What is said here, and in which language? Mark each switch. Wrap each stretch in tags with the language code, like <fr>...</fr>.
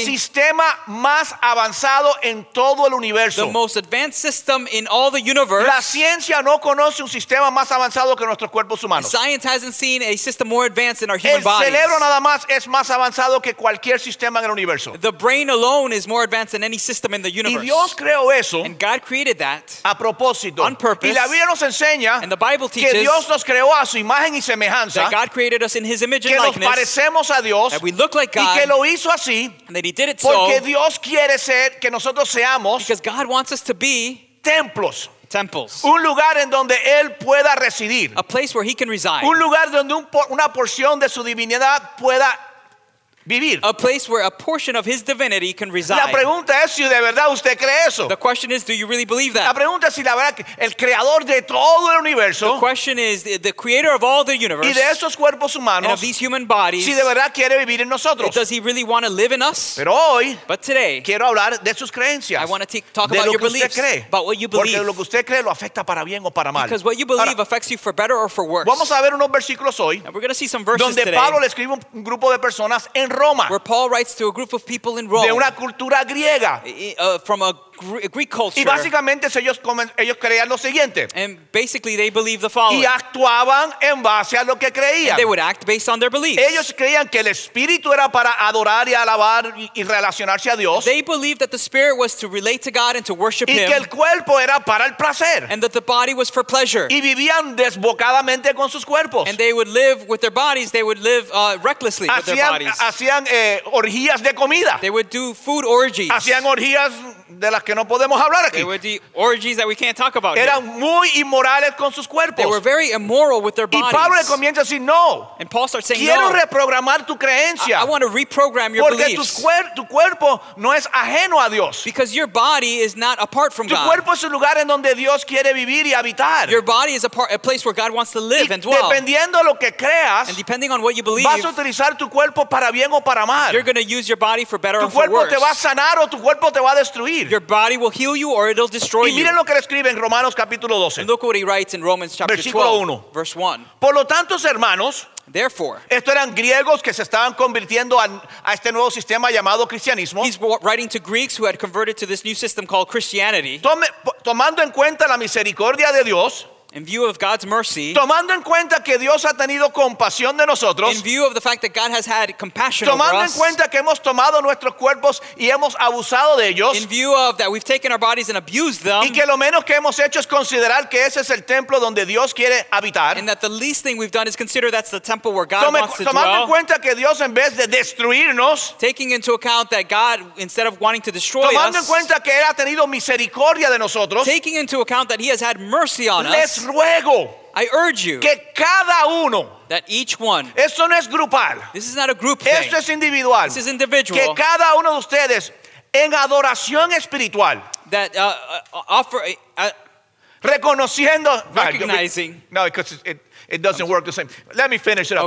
<es>El sistema más avanzado en todo el universo.</es> <en>The most advanced system in all the universe.</en> <es>La ciencia no conoce un sistema más avanzado que nuestros cuerpos humanos.</es> <en>Science hasn't seen a system more advanced in our human bodies.</en> <es>El cerebro nada más es más avanzado que cualquier sistema en el universo.</es> <en>The brain alone is more advanced than any system in the universe.</en> <es>Y Dios creó eso.</es> <en>And God created that.</en> <es>A propósito.</es> <en>On purpose.</en> <es>Y la Biblia nos enseña.</es> <en>And the Bible teaches.</en> <es>Que Dios nos creó a su imagen y semejanza.</es> <en>That God created us in His image and likeness.</en> <es>Que nos parecemos a Dios.</es> <en>That we look like God.</en> <es>Y que lo hizo así.</es> <en>And that He did it</en> <es>porque</es> <en>so.</en> <es>Porque Dios quiere ser que nosotros</es> <en>because God wants us to be</en> <es>templos.</es> <en>Temples.</en> <es>Un lugar en donde él pueda residir.</es> <en>A place where he can reside.</en> <es>Un lugar donde una porción de su divinidad pueda vivir.</es> <en>A place where a portion of his divinity can reside.</en> <es>La pregunta es si de verdad usted cree eso.</es> <en>The question is, do you really believe that?</en> <es>La pregunta es si la verdad el creador de todo el universo.</es> <en>The question is, the creator of all the universe.</en> <es>Y de esos cuerpos humanos.</es> <en>And of these human bodies.</en> <es>Si de verdad quiere vivir en nosotros.</es> <en>Does he really want to live in us?</en> <es>Pero hoy.</es> <en>But today.</en> <es>Quiero hablar de sus creencias.</es> <en>I want to talk about your beliefs.</en> <es>De lo que usted cree.</es> <en>About what you believe.</en> <es>Porque lo que usted cree lo afecta para bien o para mal.</es> <en>Because what you believe affects you for better or for worse.</en> <es>Vamos a ver unos versículos hoy.</es> <en>And we're going to see some verses</en> <es>donde</es> <en>today.</en> <es>Donde Pablo le escribe un grupo de personas en Roma.</es> <en>Where Paul writes to a group of people in Rome.</en> <es>De una cultura griega.</es> <en>From a Greek culture.</en> <es>Y básicamente ellos creían lo siguiente.</es> <en>And basically they believe the following.</en> <es>Y actuaban en base a lo que creían.</es> <en>And they would act based on their beliefs.</en> <es>Ellos creían que el espíritu era para adorar y alabar y relacionarse a Dios.</es> <en>They believed that the spirit was to relate to God and to worship</en> <es>y</es> <en>him.</en> <es>Y que el cuerpo era para el placer.</es> <en>And that the body was for pleasure.</en> <es>Y vivían desbocadamente con sus cuerpos.</es> <en>And they would live with their bodies, they would live recklessly</en> <es>hacían,</es> <en>with their bodies.</en> <es>Hacían orgías de comida.</es> <en>They would do food orgies.</en> <es>Hacían orgías de las que no podemos hablar aquí.</es> <en>They were the orgies that we can't talk about.</en> <es>Eran</es> <en>here.</en> <es>Muy inmorales con sus cuerpos.</es> <en>They were very immoral with their bodies.</en> <es>Y Pablo le comienza a decir no.</es> <en>And Paul starts saying</en> <es>quiero Quiero reprogramar tu creencia.</es> <en>I want to reprogram your</en> <es>porque</es> <en>beliefs.</en> <es>Porque tu cuerpo no es ajeno a Dios.</es> <en>Because your body is not apart from</en> <es>tu</es> <en>God.</en> <es>Tu cuerpo es un lugar en donde Dios quiere vivir y habitar.</es> <en>Your body is a place where God wants to live</en> <es>y</es> <en>and dwell.</en> <es>Dependiendo lo que creas.</es> <en>And depending on what you believe.</en> <es>Vas a utilizar tu cuerpo para bien o para mal.</es> <en>You're going to use your body for better</en> <es>tu</es> <en>or for worse.</en> <es>Tu cuerpo te va a sanar o tu cuerpo te va a destruir.</es> <en>Your body will heal you or it'll destroy</en> <es>you. Y miren lo que le escribe en Romanos capítulo 12.</es> <en>And look what he writes in Romans chapter</en> <es>12. Versículo 1.</es> <en>Verse 1.</en> <es>Por lo tanto, hermanos,</es> <en>therefore,</en> <es>estos eran griegos que se estaban convirtiendo a este nuevo sistema llamado cristianismo.</es> <en>He's writing to Greeks who had converted to this new system called Christianity.</en> <es>Tomando en cuenta la misericordia de Dios.</es> <en>In view of God's mercy.</en> <es>Tomando en cuenta que Dios ha tenido compasión de nosotros.</es> <en>In view of the fact that God has had compassion</en> <es>tomando</es> <en>over us.</en> <es>Tomando en cuenta que hemos tomado nuestros cuerpos y hemos abusado de ellos.</es> <en>In view of that we've taken our bodies and abused them.</en> <es>Y que lo menos que hemos hecho es considerar que ese es el templo donde Dios quiere habitar.</es> <en>And that the least thing we've done is consider that's the temple where God wants to dwell.</en> <es>Tomando en cuenta que Dios en vez de destruirnos.</es> <en>Taking into account that God, instead of wanting to destroy</en> <es>tomando</es> <en>us.</en> <es>Tomando en cuenta que Él ha tenido misericordia de nosotros.</es> <en>Taking into account that He has had mercy on</en> <es>les</es> <en>us.</en> <es>Ruego</es> <en>I urge you</en> <es>que cada uno,</es> <en>that each one</en> <es>esto no es grupal,</es> <en>this is not a group</en> <es>esto</es> <en>thing</en> <es>es individual,</es> <en>this is individual</en> <es>que cada uno de ustedes, en adoración espiritual,</es> <en>that offer</en> <es>reconociendo,</es> <en>recognizing no because it doesn't I'm work the same let me finish it up</en>